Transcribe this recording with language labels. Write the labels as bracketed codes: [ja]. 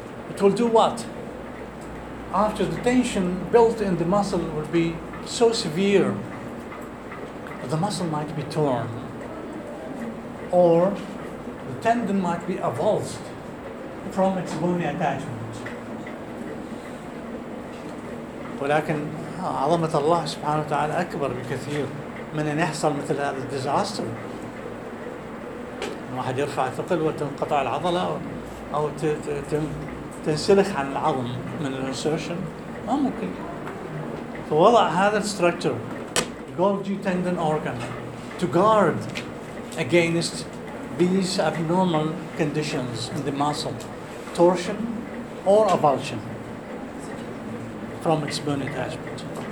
[en] It will do what? After the tension built in the muscle will be so severe, the muscle might be torn, or the tendon might be avulsed from its bony attachment. [ar] ولكن عظمة الله سبحانه وتعالى أكبر بكثير من أن يحصل مثل هذا الديزاستر. واحد يرفع ثقل وتنقطع العضلة أو تنسلخ عن العظم من الانسرشن، ما ممكن. فوضع هذا الستركتر [en] Golgi tendon organ to guard against these abnormal conditions in the muscle. Torsion or avulsion from exponent aspect.